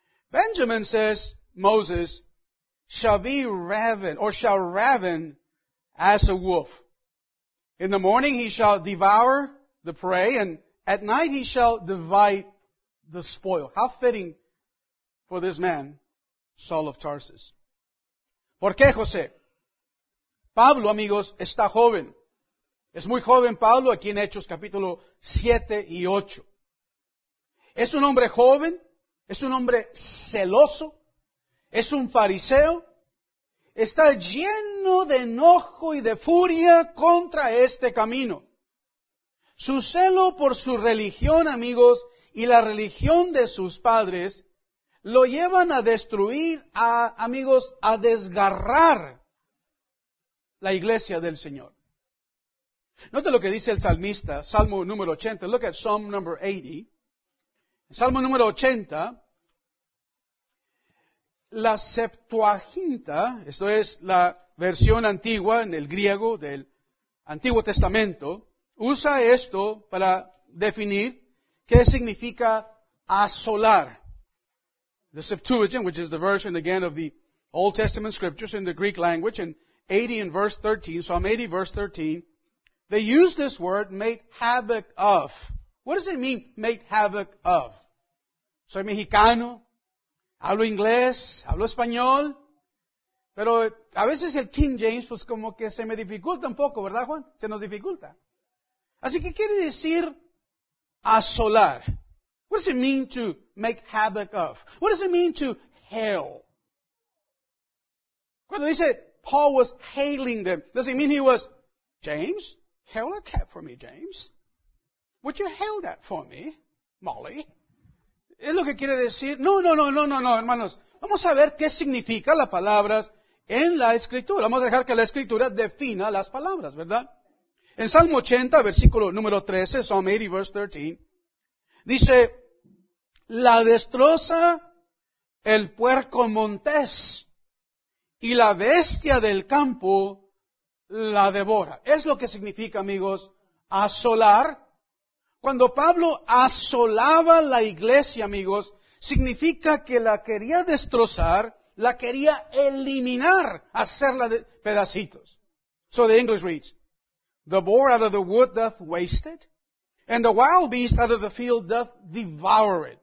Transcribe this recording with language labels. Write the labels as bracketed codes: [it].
[en] Benjamin says, Moses shall be ravened, or shall raven as a wolf. In the morning he shall devour the prey, and at night he shall divide the spoil. How fitting for this man, Saul of Tarsus. [es] ¿Por qué, José? Pablo, amigos, está joven. Es muy joven Pablo aquí en Hechos capítulo 7 y 8. Es un hombre joven, es un hombre celoso, es un fariseo, está lleno de enojo y de furia contra este camino. Su celo por su religión, amigos, y la religión de sus padres, lo llevan a destruir, a, amigos, a desgarrar la iglesia del Señor. Note lo que dice el salmista, Salmo número 80, [en] look at Psalm number 80. [es] Salmo número 80. La Septuaginta, esto es la versión antigua en el griego del Antiguo Testamento, usa esto para definir qué significa asolar. [en] The Septuagint, which is the version again of the Old Testament scriptures in the Greek language, in 80 and verse 13, Psalm 80 verse 13, they use this word, make havoc of. What does it mean, make havoc of? [es] Soy mexicano. Hablo inglés, hablo español, pero a veces el King James pues como que se me dificulta un poco, ¿verdad, Juan? Se nos dificulta. Así que quiere decir asolar. [en] What does it mean to make havoc of? What does it mean to hail? [es] Cuando dice [en] Paul was hailing them, does it mean he was, James, hail a cat for me, James. Would you hail that for me, Molly? [es] ¿Es lo que quiere decir? No, hermanos. Vamos a ver qué significa las palabras en la Escritura. Vamos a dejar que la Escritura defina las palabras, ¿verdad? En Salmo 80, versículo número 13, [en] Psalm 80, verse 13, [es] dice, la destroza el puerco montés y la bestia del campo la devora. Es lo que significa, amigos, asolar. Cuando Pablo asolaba la iglesia, amigos, significa que la quería destrozar, la quería eliminar, hacerla de pedacitos. [en] So the English reads, the boar out of the wood doth waste it, and the wild beast out of the field doth devour it.